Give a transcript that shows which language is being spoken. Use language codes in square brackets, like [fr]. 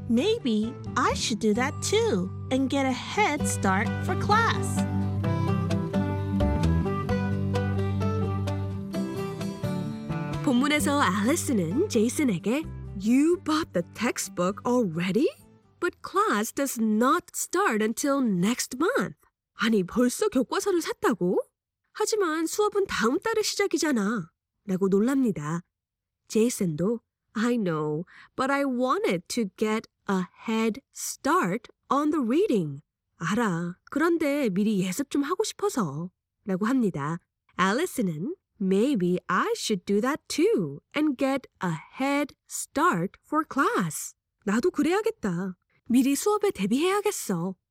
[en] Maybe I should do that too and get a head start for class. So Allison은 Jason에게 You bought the textbook already? But class does not start until next month. [ko] 아니, 벌써 교과서를 샀다고? 하지만 수업은 다음 달에 시작이잖아. 라고 놀랍니다. [en] Jason도 I know, but I wanted to get a head start on the reading. [ko] 알아, 그런데 미리 예습 좀 하고 싶어서. 라고 합니다. [en] Allison은 Maybe I should do that too and get a head start for class. [ko] 나도 그래야겠다. 미리 수업에 대비해야겠어.